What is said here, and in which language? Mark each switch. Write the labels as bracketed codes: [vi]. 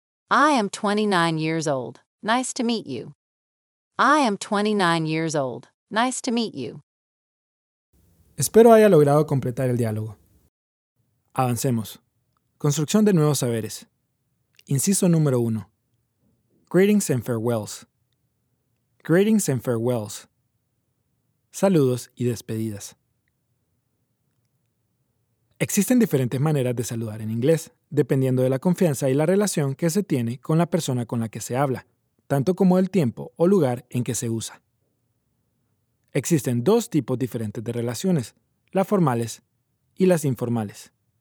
[en] I am 29 years old. Nice to meet you. I am 29 years old. Nice to meet you. [es] Espero haya logrado completar el diálogo. Avancemos. Construcción de nuevos saberes. Inciso número 1. [en] Greetings and farewells. Greetings and farewells. [es] Saludos y despedidas. Existen diferentes maneras de saludar en inglés, dependiendo de la confianza y la relación que se tiene con la persona con la que se habla, tanto como el tiempo o lugar en que se usa. Existen dos tipos diferentes de relaciones, las formales y las informales.